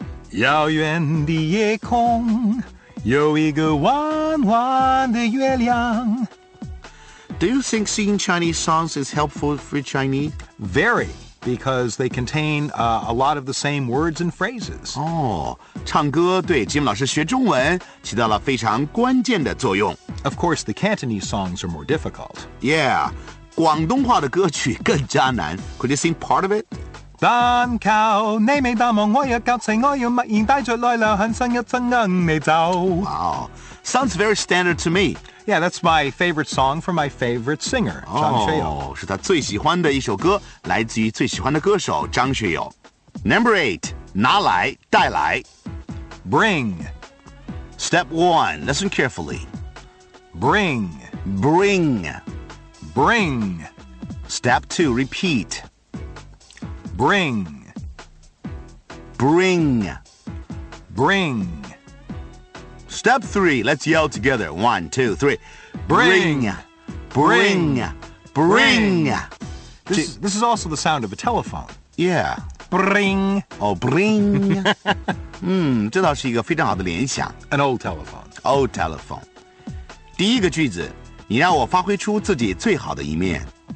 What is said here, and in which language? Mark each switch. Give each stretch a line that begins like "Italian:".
Chinese: 遥远的夜空有一个弯弯的月亮
English: Do you think singing Chinese songs is helpful for Chinese? Very, because they contain a lot of the same words and phrases.
Chinese: Oh, 唱歌对 Jim 老师学中文起到了非常关键的作用。
English: Of course, the Cantonese songs are more difficult. Yeah,
Chinese: 广东话的歌曲更加难。
English: Could you sing part of it? 当靠你没当忙我也告诉我有默然带着来了很深一层恩没走。 Wow, sounds very standard to me. Yeah, that's my favorite song from my favorite singer, Zhang Xueyou.
Chinese: 是他最喜欢的一首歌，来自于最喜欢的歌手张学友。
English: Number 8,
Chinese: 拿来，带来。
English: Bring. Step 1, listen carefully. Bring. Bring. Bring. Step 2, repeat. Bring. Bring. Bring. Step 3, let's yell together. 1, 2, 3. Bring. Bring. Bring. This is also the sound of a telephone. Yeah. Bring. Oh, bring.
Chinese: 这倒是一个非常好的联想。
English: An old telephone. Old telephone.
Chinese: 第一个句子，你让我发挥出自己最好的一面。